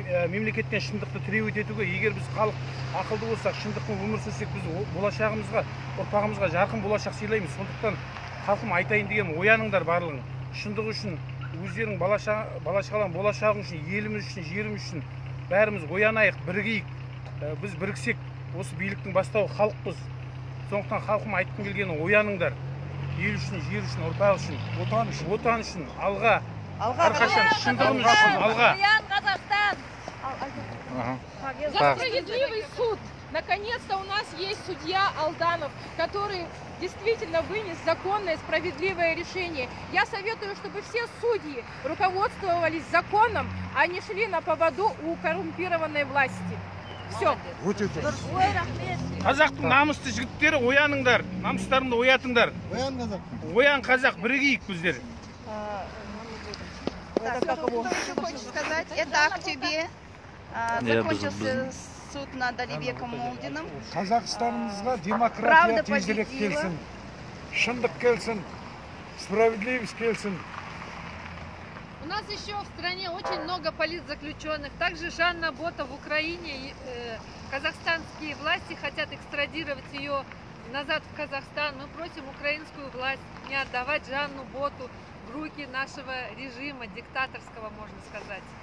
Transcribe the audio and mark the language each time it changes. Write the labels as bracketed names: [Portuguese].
[Kazakh] мемлекеттен шындықты требовать етуге егер біз халық ақылды болсақ шындықпен өмір сүрсек біз болашағымызға ұрпағымызға жарқын болашақ сыйлаймыз сондықтан халқым айтайын дегенім ояныңдар барлығың шындық үшін өздерің бала шағаларың болашағың үшін еліміз үшін жеріміз үшін бәріміз оянайық бірігейік біз біріксек осы биліктің бастауы халықпыз сондықтан халқым айтқым келгені ояныңдар ел үшін жер үшін ұрпақ үшін отан үшін отан үшін алға алға әрқашан шындығымыз үшін алға [Russian] За справедливый суд! Наконец-то у нас есть судья Алданов, который действительно вынес законное, справедливое решение. Я советую, чтобы все судьи руководствовались законом, а не шли на поводу у коррумпированной власти. Все. [Kazakh] Казах, намысты жігіттері, ояныңдар. Намыстарыңды оятыңдар. Оян, казах. Оян, казах, бірігейік біздер. [Russian] Это к тебе. Закончился суд над Алибеком Молдиным. [Kazakh] Казахстанымызға демократия тезірек келсін. Шындық келсін. Справедливость келсін. [Russian] У нас еще в стране очень много политзаключенных. Также Жанна Бота в Украине. Казахстанские власти хотят экстрадировать ее назад в Казахстан. Мы просим украинскую власть не отдавать Жанну Боту в руки нашего режима, диктаторского, можно сказать.